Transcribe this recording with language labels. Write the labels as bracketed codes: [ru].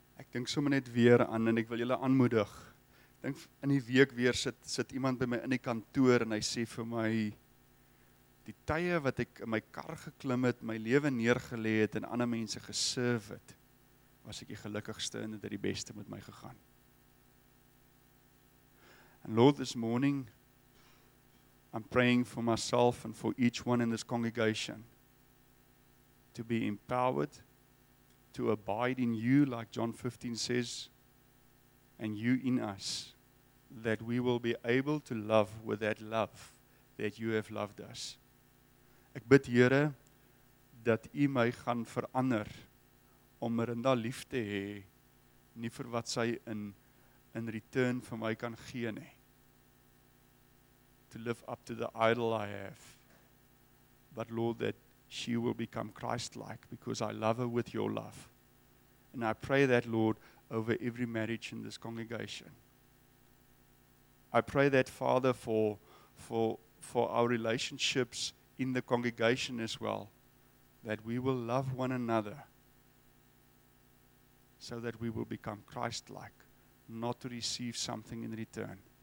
[af] dink sommer net weer aan en ek wil julle aanmoedig. Dink in die week weer sit iemand by my in die kantoor en hy sê vir my die tye wat ek in my kar geklim het, my lewe neergelê het en ander mense geserve het, was ek die gelukkigste en het die beste met my gegaan. [en] And Lord, this morning, I'm praying for myself and for each one in this congregation to be empowered, to abide in you, like John 15 says, and you in us, that we will be able to love with that love that you have loved us. [af] Ek bid, Here, dat U my gaan verander om Rinda lief te hê, nie vir wat sy in return vir my kan gee nie. [en] To live up to the idol I have. But Lord, that she will become Christ-like because I love her with your love. And I pray that, Lord, over every marriage in this congregation. I pray that, Father, for our relationships in the congregation as well, that we will love one another so that we will become Christ-like, not to receive something in return.